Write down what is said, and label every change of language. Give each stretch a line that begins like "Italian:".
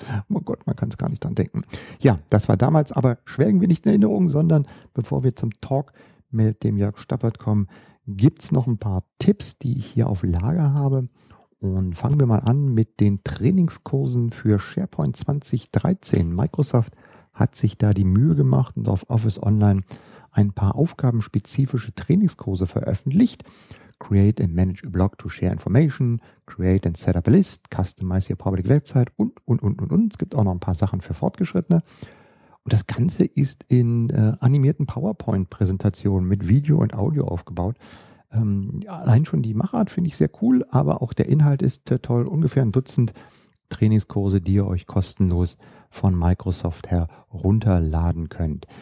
German: Oh Gott, man kann es gar nicht dran denken. Ja, das war damals, aber schwelgen wir nicht in Erinnerung, sondern bevor wir zum Talk mit dem Jörg Stappert kommen, gibt es noch ein paar Tipps, die ich hier auf Lager habe. Und fangen wir mal an mit den Trainingskursen für SharePoint 2013. Microsoft hat sich da die Mühe gemacht und auf Office Online ein paar aufgabenspezifische Trainingskurse veröffentlicht.
English: Create and manage a blog to share information, create and set up a list, customize your public website und.
German: Es gibt auch noch ein paar Sachen für Fortgeschrittene. Und das Ganze ist in animierten PowerPoint-Präsentationen mit Video und Audio aufgebaut. Allein schon die Machart finde ich sehr cool, aber auch der Inhalt ist toll. Ungefähr ein Dutzend Trainingskurse, die ihr euch kostenlos von Microsoft her runterladen könnt.